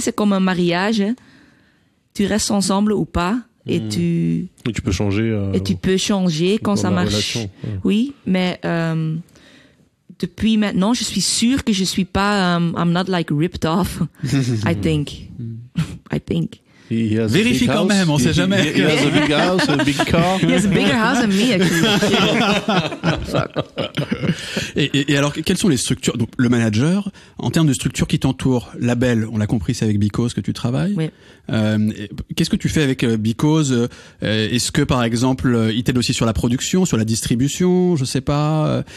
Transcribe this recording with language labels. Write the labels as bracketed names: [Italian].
[French] C'est comme un mariage. Tu restes ensemble ou pas, et tu peux changer. Et tu peux changer quand ça marche. Relation, ouais. Oui, mais depuis maintenant, je suis sûre que je suis pas. [English] I'm not like ripped off. I think. I think. [French] Vérifie quand même, on sait jamais. [English] He has a big house, a big car. He has a bigger house than me, actually. [French] et alors, quelles sont les structures? Donc, le manager, en termes de structure qui t'entoure, label, on l'a compris, c'est avec Because que tu travailles. Oui. Qu'est-ce que tu fais avec Because? Est-ce que, par exemple, il t'aide aussi sur la production, sur la distribution? Je sais pas.